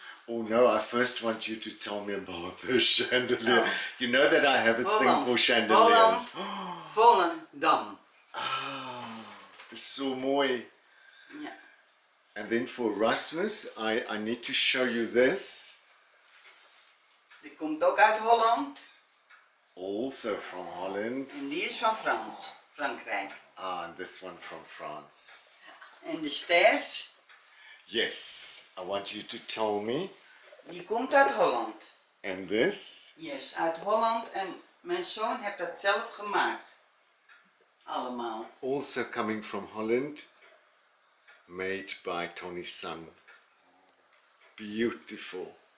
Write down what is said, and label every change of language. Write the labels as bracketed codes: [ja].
[en] Oh no, I first want you to tell me about the chandelier. No. You know that I have a Volendam. Thing for chandeliers. Volendam. Ah, it's so mooi. Yeah. And then for Rasmus, I need to show you this. [nl] Die komt ook uit Holland. [en] Also from Holland. [nl] And die is van Frankrijk. [en] Ah, and this one from France. And the stairs? Yes, I want you to tell me. [nl] Die komt uit Holland. [en] And this? [nl] Yes, uit Holland. And mijn zoon heeft dat zelf gemaakt. Allemaal. [en] Also coming from Holland. Made by Tony's son. Beautiful.